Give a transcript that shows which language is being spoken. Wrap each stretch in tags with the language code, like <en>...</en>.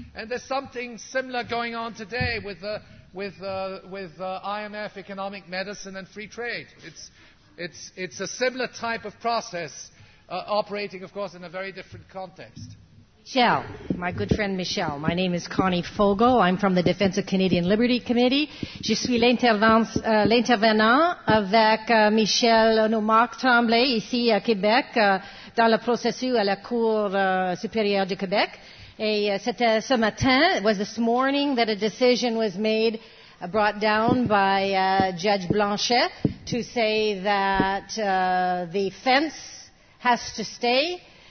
<en>And there's something similar going on today with IMF, economic medicine, and free trade. It's a similar type of process, operating, of course, in a very different context. Michelle, my good friend Michelle. My name is Connie Fogo. I'm from the Defense of Canadian Liberty Committee.</en> <fr>Je suis l'intervenant avec Michel Noumark-Tremblay ici à Québec dans le processus à la Cour supérieure du Québec. Et c'était ce matin,</fr> <en>it was this morning that a decision was made, brought down by Judge Blanchet to say that the fence has to stay.</en>